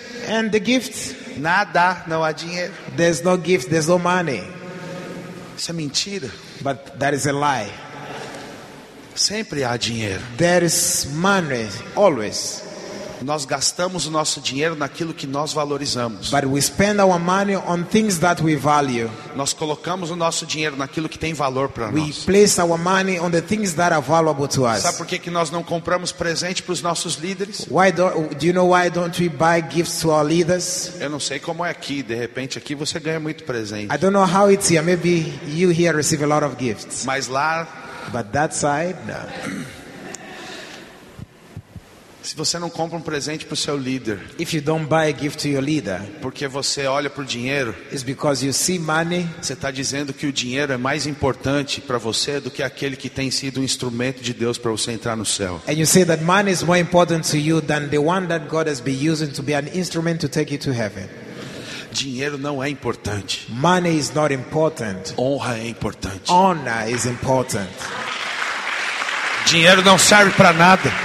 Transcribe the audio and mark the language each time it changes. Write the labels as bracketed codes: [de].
[en] And the gift? [pt] Nada, não há dinheiro. [en] There's no gift, there's no money. [pt] Isso é mentira. [en] But that is a lie. [pt] Sempre há dinheiro. [en] There is money, always. [pt] Nós gastamos o nosso dinheiro naquilo que nós valorizamos. [en] But we spend our money on things that we value. [pt] Nós colocamos o nosso dinheiro naquilo que tem valor para nós. [en] We place our money on the things that are valuable to us. [pt] Sabe por que nós não compramos presente para os nossos líderes? [en] Why don't we buy gifts to our leaders? [pt] Eu não sei como é aqui, de repente aqui você ganha muito presente. [en] I don't know how it's here. Maybe you here receive a lot of gifts. [pt] Mas lá, [en] but that side, no. [pt] Se você não compra um presente para o seu líder, [en] if you don't buy a gift to your leader, [pt] porque você olha para o dinheiro, [en] it's because you see money, [pt] você está dizendo que o dinheiro é mais importante para você do que aquele que tem sido um instrumento de Deus para você entrar no céu. [en] And you say that money is more important to you than the one that God has been using to be an instrument to take you to heaven. [pt] Dinheiro não é importante. [en] Money is not important. [pt] Honra é importante. [en] Honor is important. [pt] Dinheiro não serve para nada.